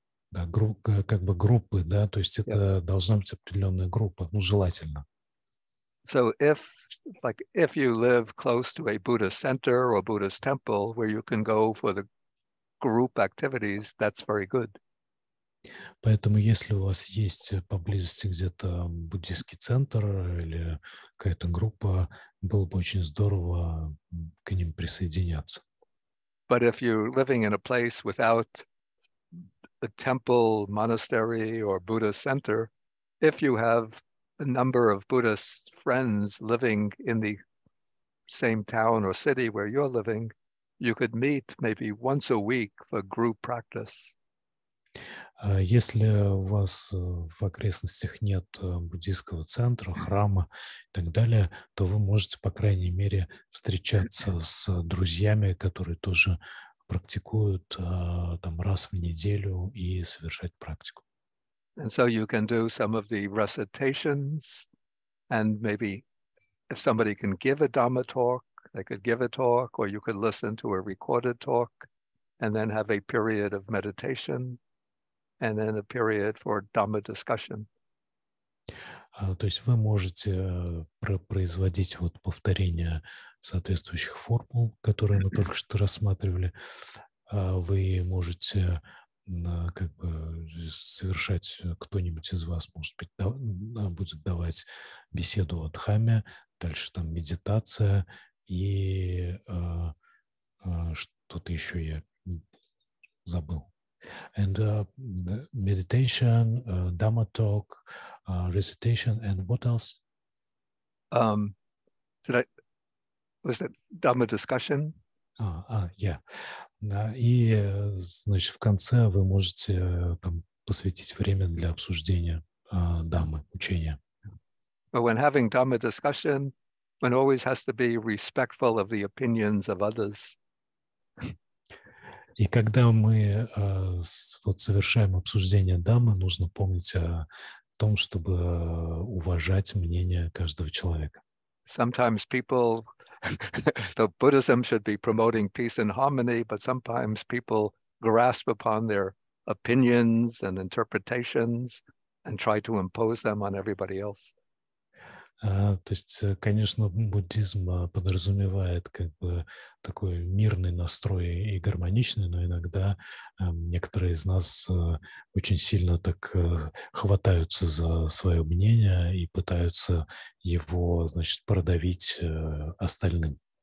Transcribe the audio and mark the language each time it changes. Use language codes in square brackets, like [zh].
[ru] Да, как бы группы, да, то есть это yeah. должна быть определенная группа, ну, желательно. [en] So if, like, if you live close to a Buddhist center or a Buddhist temple where you can go for the group activities, that's very good. [ru] Поэтому если у вас есть поблизости где-то буддийский центр или какая-то группа, было бы очень здорово к ним присоединяться. [en] But if you're living in a place without a temple, monastery, or Buddhist center, if you have a number of Buddhist friends living in the same town or city where you're living, you could meet maybe once a week for group practice. [ru] Если у вас в окрестностях нет буддийского центра, храма и так далее, то вы можете, по крайней мере, встречаться с друзьями, которые тоже практикуют там раз в неделю и совершать практику. [en] And so you can do some of the recitations, and maybe if somebody can give a Dhamma talk, they could give a talk, or you could listen to a recorded talk, and then have a period of meditation. And then a period for Dhamma discussion. [ru] То есть вы можете производить вот повторение соответствующих формул, которые мы только что рассматривали. Вы можете как бы совершать, кто-нибудь из вас может быть будет давать беседу о Дхамме, дальше там медитация и что-то еще я забыл. [en] And meditation, Dhamma talk, recitation, and what else? Was it Dhamma discussion? [ru] Значит, в конце вы можете там посвятить время для обсуждения Дхаммы, учения. [en] But when having Dhamma discussion, one always has to be respectful of the opinions of others. [ru] И когда мы вот совершаем обсуждение Дхаммы, нужно помнить о том, чтобы уважать мнение каждого человека. [en] Sometimes people, the Buddhism should be promoting peace and harmony, but sometimes people grasp upon their opinions and interpretations and try to impose them on everybody else. [ru] То есть, конечно, буддизм подразумевает как бы такой мирный настрой и гармоничный, но иногда некоторые из нас очень сильно так хватаются за свое мнение и пытаются его, значит, продавить остальным.